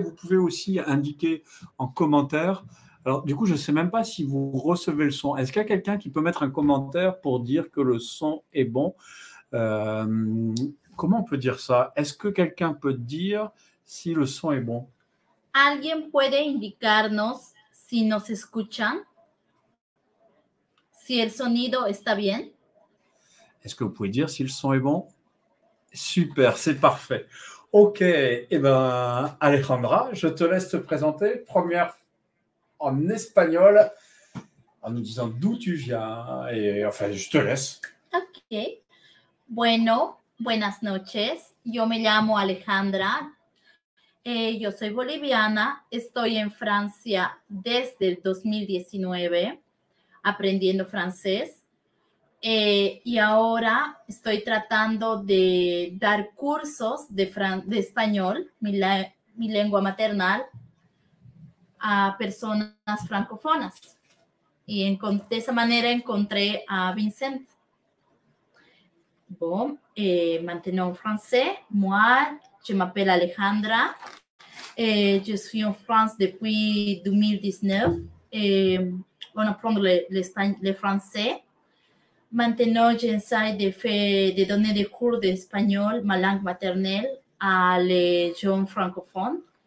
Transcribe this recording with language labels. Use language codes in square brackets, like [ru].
[fr] Vous pouvez aussi indiquer en commentaire. Alors, du coup, je ne sais même pas si vous recevez le son. Est-ce qu'il y a quelqu'un qui peut mettre un commentaire pour dire que le son est bon? Comment on peut dire ça? Est-ce que quelqu'un peut dire si le son est bon? [es] ¿Alguien puede indicarnos si nos escuchan? Si el sonido está bien? [fr] Est-ce que vous pouvez dire si le son est bon? Super, c'est parfait. Ok, eh bien, Alejandra, je te laisse te présenter. Première fois. En espagnol, en nous disant d'où tu viens, et enfin, je te laisse. [es] Ok. Bueno, buenas noches. Yo me llamo Alejandra. Yo soy boliviana. Estoy en Francia desde el 2019, aprendiendo francés. Y ahora estoy tratando de dar cursos de español, mi lengua maternal, a personas francófonas, y de esa manera encontré a Vincent. [fr] Bon, maintenant en français. Moi, je m'appelle Alejandra, je suis en France depuis 2019, on apprend le français. Maintenant, j'essaie de donner des cours d'espagnol, ma langue maternelle, à les jeunes francophones.